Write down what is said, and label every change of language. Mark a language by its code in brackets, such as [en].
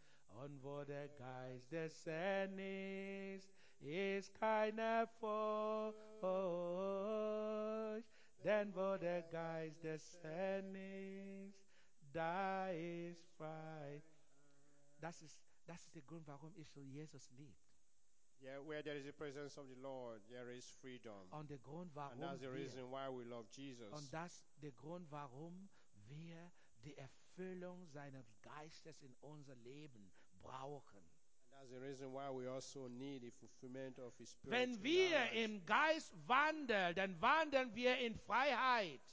[de] Und wo der Geist dessen ist, ist keine Furcht. Denn wo der Geist dessen ist, da ist Freiheit. Das ist der Grund, warum ich so Jesus liebe. [en] Yeah, where there is the presence of the Lord, there is freedom. On the ground, and that's the reason why we love Jesus. [de] Und das der Grund, warum wir die Erfüllung seines Geistes in unser Leben brauchen. [en] And that's the reason why we also need the fulfillment of His Spirit. [de] Wenn wir im Geist wandeln, dann wandeln wir in Freiheit.